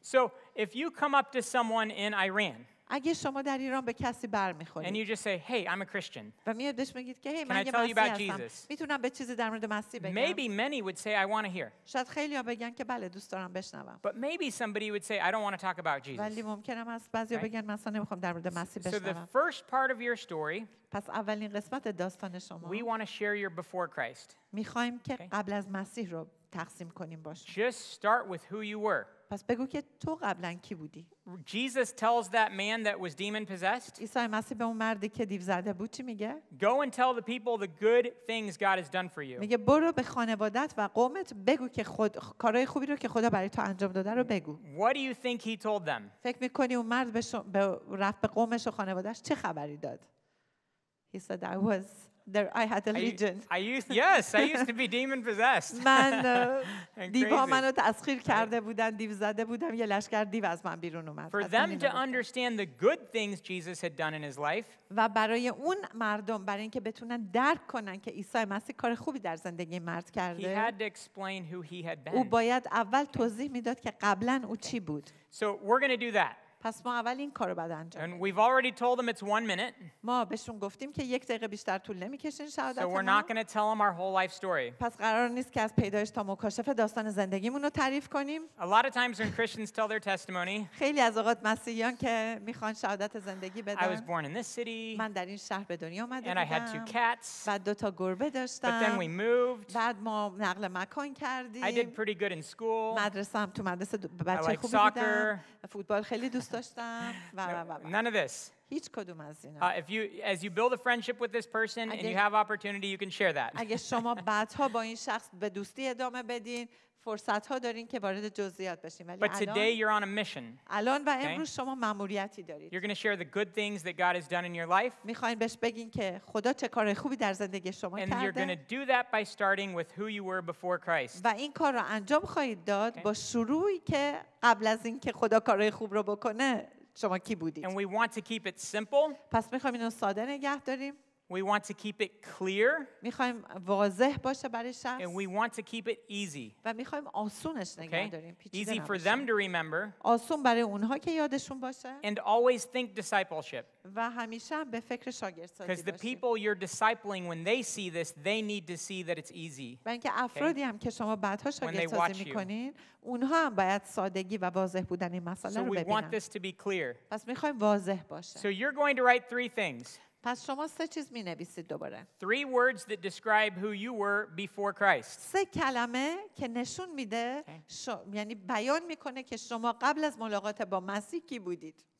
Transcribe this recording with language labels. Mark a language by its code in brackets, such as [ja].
[en] So if you come up to someone in Iran [fa] اگه شما در ایران به کسی بر میخورید [en] and you just say hey I'm a Christian [fa] و میاد بهش میگید که hey من یه مسیحی هستم میتونم به چیزی در مورد مسیح بگم [en] maybe many would say I want to hear [fa] شاید خیلی ها بگن که بله دوست دارم بشنوم [en] but maybe somebody would say I don't want to talk about Jesus [fa] ولی ممکنه هست بعضیا بگن من اصلا نمیخوام در مورد مسیح بشنوم [en] so the first part of your story [fa] پس اولین قسمت داستان شما [en] we want to share your before Christ [fa] میخوایم که قبل از مسیح رو تقسیم کنیم باشه [en] just start with who you were [fa] پس بگو که تو قبلاً کی بودی؟ [en] Jesus tells that man that was demon possessed. [fa] عیسی مسیح به اون مردی که دیوزده بود چی میگه؟ [en] Go and tell the people the good things God has done for you. [fa] میگه برو به خانوادت و قومت بگو که خود کارهای خوبی رو که خدا برای تو انجام داده رو بگو. [en] What do you think he told them? [fa] فکر میکنی اون مرد به رفت به قومش و خانوادش چه خبری داد؟ [en] He said I was there I had a legion. I used to be demon possessed. [fa] من دیوها منو تسخیر کرده بودن دیو زده بودم یه لشکر دیو از من بیرون اومد. [en] For them to understand the good things Jesus had done in his life. [fa] و برای اون مردم برای اینکه بتونن درک کنن که عیسی مسیح کار خوبی در زندگی مرد کرده. [en] He had to explain who he had been. [fa] او باید اول توضیح میداد که قبلا او چی بود. [en] So we're going to do that. [fa] پس ما اول این کارو بعد انجام بدیم. [en] And we've already told them it's 1 minute. [fa] ما بهشون گفتیم که یک دقیقه بیشتر طول نمی‌کشه شهادت. [en] So we're not going to tell them our whole life story. [fa] پس قرار نیست که از پیدایش تا مکاشفه داستان زندگیمون رو تعریف کنیم. [en] A lot of times when Christians tell their testimony. [fa] خیلی از اوقات مسیحیان که می‌خوان شهادت زندگی بدن. [en] I was born in this city. [fa] من در این شهر به دنیا اومدم. [en] And I had 2 cats. [fa] بعد دو تا گربه داشتم. [en] But then we moved. [fa] بعد ما نقل مکان کردیم. [en] I did pretty good in school. [fa] مدرسه هم تو مدرسه بچه خوبی بودم. فوتبال خیلی دوست [en] No, none of this. If you, as you build a friendship with this person and you have opportunity, you can share that. [fa] اگه شما بعدها با این شخص به دوستی ادامه بدین، فرصت ها دارین که وارد جزئیات بشین. [en] But today you're on a mission. [fa] الان و امروز شما ماموریتی دارید. [en] You're going to share the good things that God has done in your life. [fa] میخواین بهش بگین که خدا چه کار خوبی در زندگی شما کرده. [en] And you're going to do that by starting with who you were before Christ. [fa] و این کار را انجام خواهید داد با شروعی که قبل از این که خدا کارهای خوب رو بکنه شما کی بودید. [en] And we want to keep it simple. [fa] پس میخوایم اینو ساده نگه داریم. [en] We want to keep it clear. [fa] میخوایم واضح باشه برای شخص. [en] And we want to keep it easy. [fa] و میخوایم آسونش نگه داریم. [en] Easy for them to remember. [fa] آسون برای اونها که یادشون باشه. [en] And always think discipleship. [fa] و همیشه به فکر شاگردسازی باشید. [en] Because the people you're discipling, when they see this, they need to see that it's easy. [fa] و اینکه افرادی هم که شما بعدها شاگردسازی میکنین، اونها هم باید سادگی و واضح بودن این مسئله رو ببینن. [en] So we want this to be clear. [fa] پس میخوایم واضح باشه. [en] So you're going to write 3 things. [fa] پس شما سه چیز می نویسید دوباره. [en] 3 words that describe who you were before Christ. [fa] سه کلمه که نشون میده یعنی بیان میکنه که شما قبل از ملاقات با مسیح کی بودید.